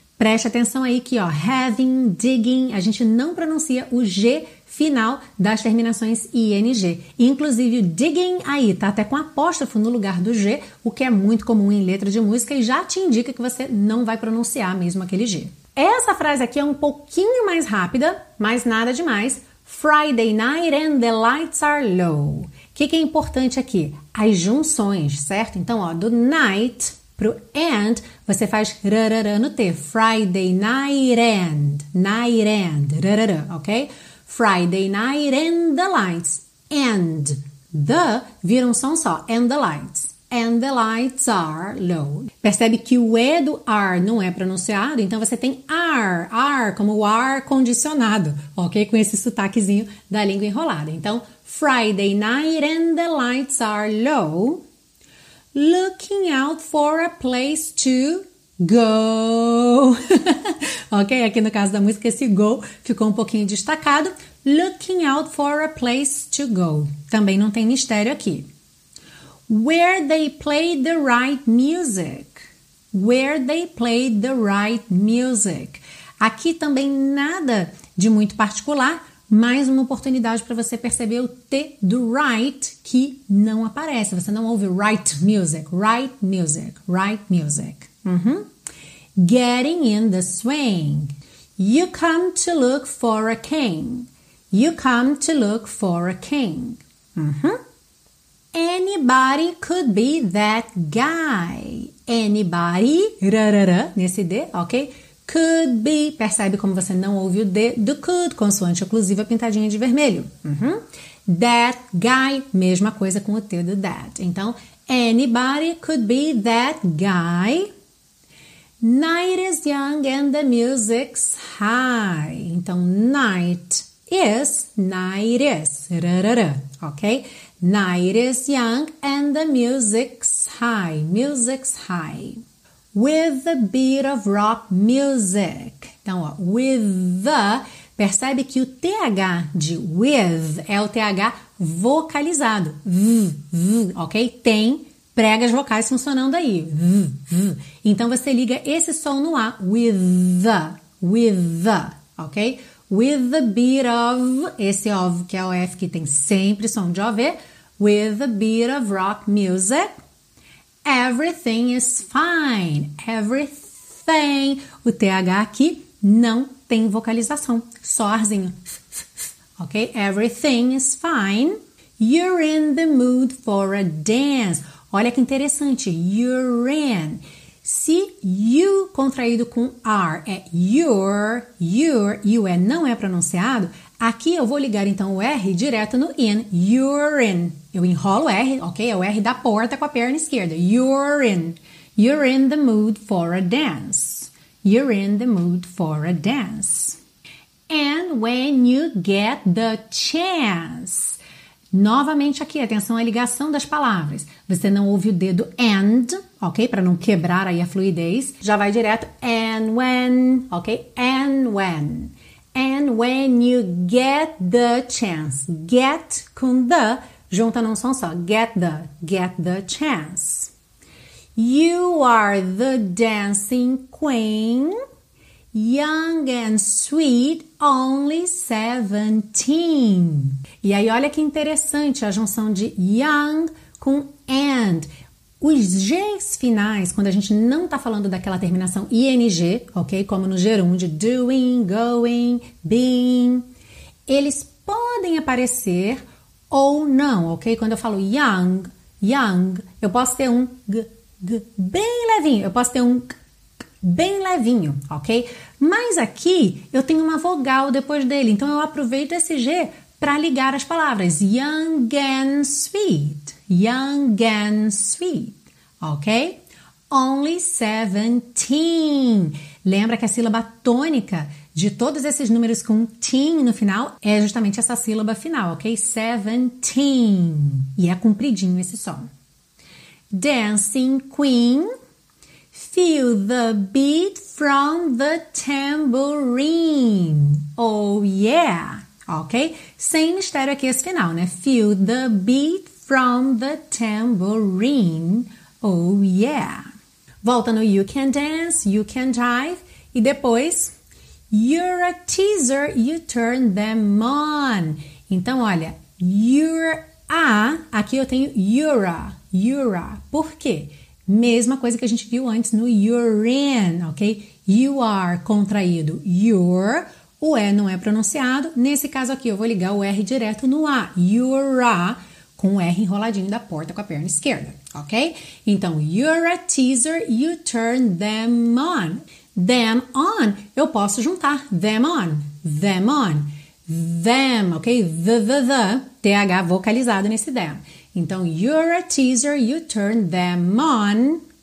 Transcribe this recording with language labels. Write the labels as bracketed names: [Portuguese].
[Portuguese] Preste atenção aí que, ó, having, digging, a gente não pronuncia o G final das terminações ING. Inclusive, o digging aí tá até com apóstrofo no lugar do G, o que é muito comum em letra de música e já te indica que você não vai pronunciar mesmo aquele G. Essa frase aqui é um pouquinho mais rápida, mas nada demais. [English] Friday night and the lights are low. [Portuguese] O que, que é importante aqui? As junções, certo? Então, ó, do night pro and, você faz rarara no T. [English] Friday night and, rarara, ok? Friday night and the lights. And the [Portuguese] vira um som só, [English] and the lights. And the lights are low. [Portuguese] Percebe que o E do R não é pronunciado, então você tem R, R, como o ar condicionado, ok? Com esse sotaquezinho da língua enrolada. [English] Então, Friday night and the lights are low. Looking out for a place to go. [Portuguese] Ok, aqui no caso da música, esse go ficou um pouquinho destacado. [English] Looking out for a place to go. [Portuguese] Também não tem mistério aqui. [English] Where they played the right music. Where they played the right music. [Portuguese] Aqui também nada de muito particular, mais uma oportunidade para você perceber o T do right que não aparece. Você não ouve [English] right music, right music, right music. Uhum. Getting in the swing. You come to look for a king. You come to look for a king. Uhum. Anybody could be that guy. [Portuguese] Anybody, rarara, nesse D, ok? [English] Could be, [Portuguese] percebe como você não ouve o D do could, consoante oclusiva pintadinha de vermelho. Uhum. [English] That guy, [Portuguese] mesma coisa com o T do that. [English] Então, anybody could be that guy. Night is young and the music's high. Então, night is, night is, rarara, ok? Night is young and the music's high, music's high. With a beat of rock music. [Portuguese] Então, ó, [English] with the, [Portuguese] percebe que o TH de with é o TH vocalizado. V, v, ok? Tem pregas vocais funcionando aí. V, v. Então, você liga esse som no A. [English] With the, ok? With the beat of, [Portuguese] esse of que é o F que tem sempre som de OV. [English] With a beat of rock music. Everything is fine. Everything. [Portuguese] O TH aqui não tem vocalização. Só arzinho. [English] Ok? Everything is fine. You're in the mood for a dance. [Portuguese] Olha que interessante. [English] You're in. [Portuguese] Se you contraído com R é your, your, you é não é pronunciado, Aqui eu vou ligar então o R direto no in, [English] you're in. [Portuguese] Eu enrolo o R, ok? É o R da porta com a perna esquerda, [English] you're in. You're in the mood for a dance. You're in the mood for a dance. And when you get the chance. [Portuguese] Novamente aqui, atenção à ligação das palavras. Você não ouve o dedo and, ok? Para não quebrar aí a fluidez. Já vai direto [English] and when, [Portuguese] ok? [English] And when. And when you get the chance. [Portuguese] Get com the, junta num som só. [English] Get the chance. You are the dancing queen, young and sweet, only 17. [Portuguese] E aí, olha que interessante a junção de young com and. Os G's finais, quando a gente não está falando daquela terminação ING, ok? Como no gerúndio, [English] doing, going, being, [Portuguese] eles podem aparecer ou não, ok? Quando eu falo young, young, eu posso ter um g, g bem levinho, eu posso ter um g, g bem levinho, ok? Mas aqui eu tenho uma vogal depois dele, então eu aproveito esse G para ligar as palavras, [English] young and sweet, young and sweet, [Portuguese] ok? [English] Only 17. [Portuguese] Lembra que a sílaba tônica de todos esses números com teen no final é justamente essa sílaba final, ok? 17. E é compridinho esse som. [English] Dancing queen, feel the beat from the tambourine. Oh yeah! Ok? [Portuguese] Sem mistério aqui esse final, né? [English] Feel the beat from the tambourine. Oh, yeah. [Portuguese] Volta no [English] you can dance, you can dive. [Portuguese] E depois, [English] you're a teaser, you turn them on. [Portuguese] Então, olha, [English] you're a, [Portuguese] aqui eu tenho you're a. Por quê? Mesma coisa que a gente viu antes no you're in, ok? [English] You are contraído, you're. [Portuguese] O E não é pronunciado. Nesse caso aqui, eu vou ligar o R direto no A. [English] You're a, [Portuguese] com o R enroladinho da porta com a perna esquerda, ok? [English] Então, you're a teaser, you turn them on. Them on, [Portuguese] eu posso juntar. [English] Them on, them on. [Portuguese] Them, ok? The, TH vocalizado nesse them. [English] Então, you're a teaser, you turn them on.